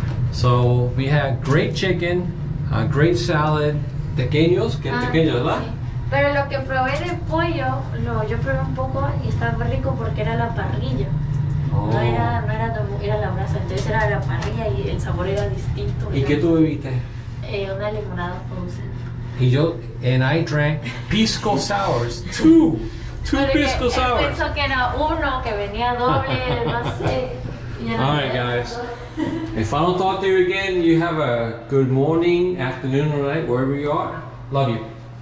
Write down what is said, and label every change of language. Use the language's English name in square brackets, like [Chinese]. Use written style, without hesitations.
[English] So, we had great chicken, a great salad, tequeños, [Spanish] que tequeños, ¿verdad? Sí. Pero lo que probé de pollo, no, yo probé un poco y estaba rico porque era la parrilla. Oh. No era la brasa, entonces era la parrilla y el sabor era distinto. ¿Y qué tú bebiste? Una limonada frozen. Y yo, [English] and I drank pisco sours, two. Two pisco sours. [Spanish] Pensó que era uno que venía doble, no sé. [English] All right, guys. If I don't talk to you again, you have a good morning, afternoon, or night, wherever you are. Love you.